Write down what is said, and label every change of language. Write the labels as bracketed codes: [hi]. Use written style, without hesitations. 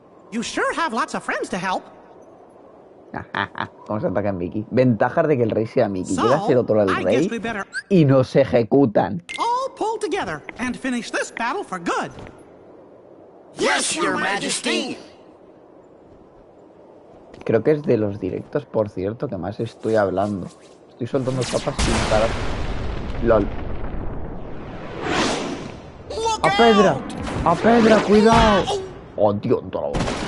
[en] You sure have lots of friends to help. [es] ¿Cómo se ataca Mickey? Ventajas de que el rey sea Mickey. Llega a ser otro lado del rey y nos ejecutan. [en] All pull together and finish this battle for good. Yes, your majesty. [es] Creo que es de los directos, por cierto, que más estoy hablando. Estoy soltando papas sin parar. LOL. ¡A Pedra! ¡A Pedra, cuidado! ¡Oh, tío, en toda la boca!